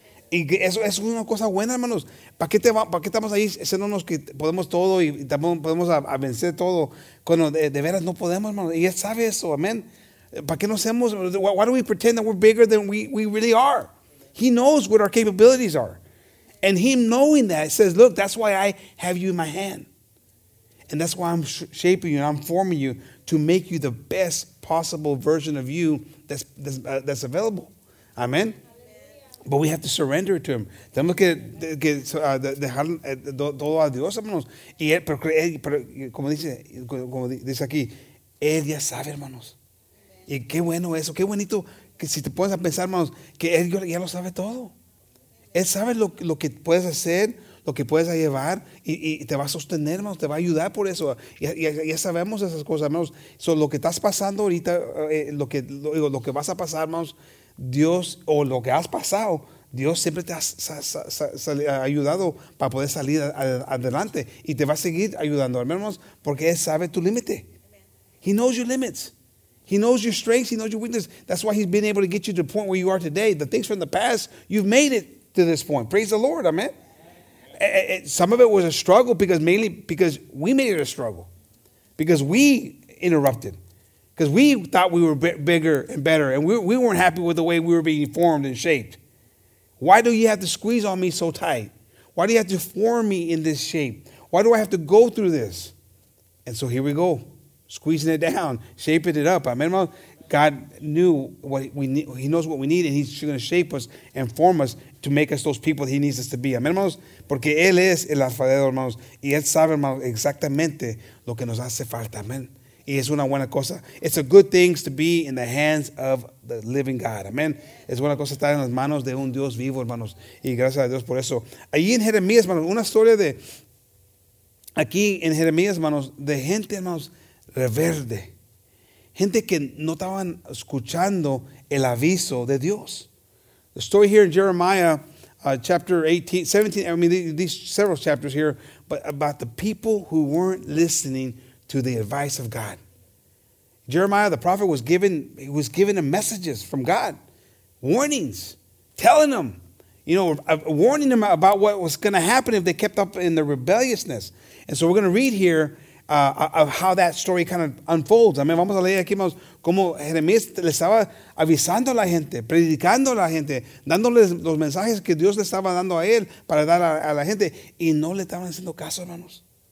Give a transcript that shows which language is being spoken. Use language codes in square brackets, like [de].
[es] Y eso es una cosa buena, hermanos. ¿Para qué estamos ahí siendo los que podemos todo y podemos a vencer todo? Cuando de veras no podemos, hermanos. Y él sabe eso, amén. ¿Para qué no hacemos? [en] Why do we pretend that we're bigger than we really are? He knows what our capabilities are. And him knowing that says, look, that's why I have you in my hand. And that's why I'm shaping you and I'm forming you to make you the best possible version of you that's available. Amen. But we have to surrender to him. [es] Tenemos que dejar todo a Dios, hermanos. Y él, pero como dice aquí, él ya sabe, hermanos. Y qué bueno eso, qué bonito que si te pones a pensar, hermanos, que él ya lo sabe todo. Él sabe lo que puedes hacer, lo que puedes llevar, y te va a sostener, hermanos, te va a ayudar por eso. Ya sabemos esas cosas, hermanos. So, lo que estás pasando ahorita, lo que vas a pasar, hermanos, Dios, o lo que has pasado, Dios siempre te ha ayudado para poder salir adelante y te va a seguir ayudando, hermanos, porque Él sabe tu límite. [en] He knows your limits. He knows your strengths. He knows your weaknesses. That's why He's been able to get you to the point where you are today. The things from the past, you've made it to this point. Praise the Lord, amen. Some of it was a struggle mainly because we made it a struggle. Because we interrupted. Because we thought we were bigger and better, and we weren't happy with the way we were being formed and shaped. Why do you have to squeeze on me so tight? Why do you have to form me in this shape? Why do I have to go through this? And so here we go, squeezing it down, shaping it up. Amen, hermano. God knew what we need. He knows what we need, and he's going to shape us and form us to make us those people that he needs us to be. [es] Amen, hermanos. Porque él es el alfarero, hermanos, y él sabe, hermanos, exactamente lo que nos hace falta. Amen. Y es una buena cosa. [en] It's a good thing to be in the hands of the living God. Amen. [es] Es buena cosa estar en las manos de un Dios vivo, hermanos. Y gracias a Dios por eso. Allí en Jeremías, hermanos, una historia de... Aquí en Jeremías, hermanos, de gente, hermanos, rebelde. Gente que no estaban escuchando el aviso de Dios. [en] The story here in Jeremiah, chapter 17, these several chapters here, but about the people who weren't listening to the advice of God. Jeremiah the prophet was given messages from God, warnings, telling them, you know, warning them about what was going to happen if they kept up in their rebelliousness. And so we're going to read here of how that story kind of unfolds. [es] I mean, vamos a leer aquí, vamos, como Jeremías le estaba avisando a la gente, predicando a la gente, dándoles los mensajes que Dios le estaba dando a él para dar a la gente, y no le estaban haciendo caso, hermanos.